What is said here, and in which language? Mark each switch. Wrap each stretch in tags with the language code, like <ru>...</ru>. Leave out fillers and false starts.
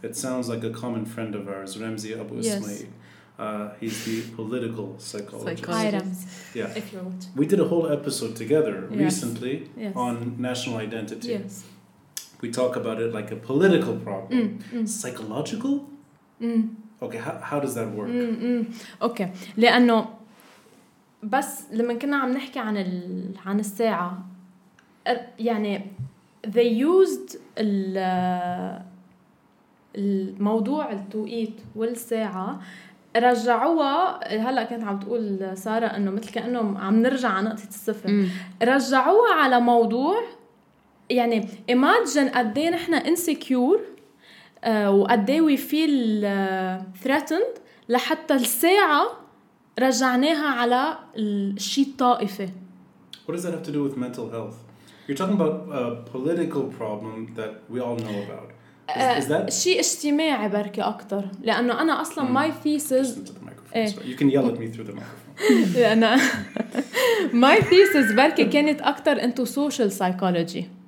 <en>It sounds like a common friend of ours, Ramzi Abu Ismail. Yes. He's the political psychologist. Yeah. If you're watching. We did a whole episode together recently on national identity. Yes. We talk about it like a political problem. Mm, psychological? Okay, how does that work?</en> <ar>Okay, لأنه بس لما كنا عم نحكي عن الساعة يعني</ar> <en>they used</en> <ar>الموضوع التوقيت والساعة رجعوها. هلأ كانت عم تقول سارة أنه مثل كأنه عم نرجع على نقطة الصفر. رجعوها على موضوع يعني</ar> <en>imagine</en> <ar>قدي نحنا</ar> <en>insecure</en> <ar>وقدي</ar> <en>we feel threatened</en> <ar>لحتى الساعة رجعناها على الشيء الطائفة.</ar> <en>What does that have to do with mental health? You're talking about a political problem that we all know about. Is</en> <ar>شيء اجتماعي بركي أكتر، لأنه أنا أصلا</ar> <en>my thesis You can yell at me through the microphone.</en> <ar>أنا</ar> <en>my thesis</en> <ar>بركي كانت أكتر</ar> <en>into social psychology.</en>